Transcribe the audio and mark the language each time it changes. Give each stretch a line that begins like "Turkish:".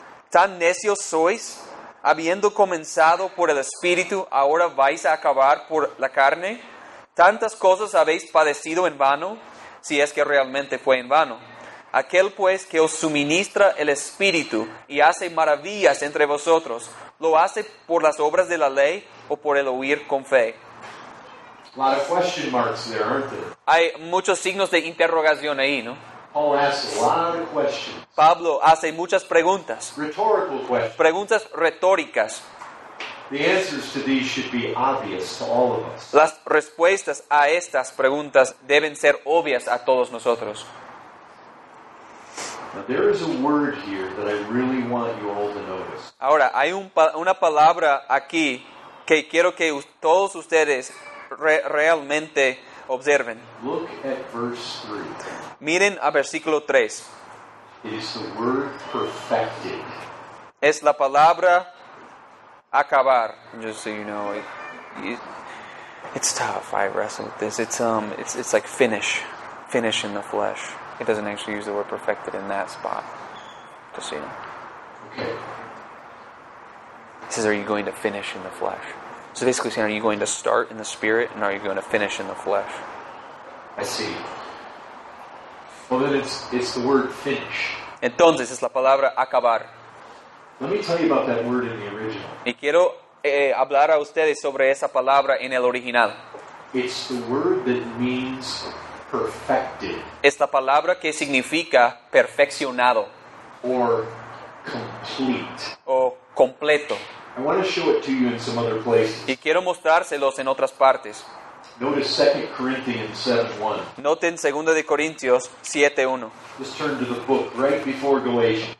Spanish: ¿Tan necios sois? ¿Habiendo comenzado por el Espíritu, ahora vais a acabar por la carne? ¿Tantas cosas habéis padecido en vano? Si es que realmente fue en vano. Aquel pues que os suministra el Espíritu y hace maravillas entre vosotros, ¿lo hace por las obras de la ley o por el oír con fe?
English: A lot of question marks there, aren't there?
Spanish: Hay muchos signos de interrogación ahí, ¿no?
English: Paul asks a lot of questions.
Spanish: Pablo hace muchas preguntas.
English: Rhetorical questions.
Spanish: Preguntas retóricas.
English: The answers to these should be obvious to all of us.
Spanish: Las respuestas a estas preguntas deben ser obvias a todos nosotros.
English: Now, there is a word here that I really want you all to notice.
Spanish: Ahora, hay una palabra aquí que quiero que todos ustedes realmente observen.
English: Look at verse 3.
Spanish: Miren a versículo 3.
English: It is the word perfected.
Spanish: Es la palabra acabar.
English: Just so you know, it's tough. I wrestle with this. It's like finish in the flesh. It doesn't actually use the word perfected in that spot. Just so you know. Okay. It says, are you going to finish in the flesh? So basically saying, are you going to start in the spirit and are you going to finish in the flesh? I see. Well, then it's the word finish.
Spanish: Entonces, es la palabra acabar.
English: Let me tell you about that word in the original.
Spanish: Y quiero hablar a ustedes sobre esa palabra en el original.
English: It's the word that means perfected.
Spanish: Esta palabra que significa perfeccionado.
English: Or complete.
Spanish: O completo.
English: I want to show it to you in some other places.
Spanish: Y quiero mostrárselos en otras partes.
English: Notice 2 Corinthians 7:1.
Spanish: Noten 2 Corintios 7:1.
English: Just turn to the book right before Galatians.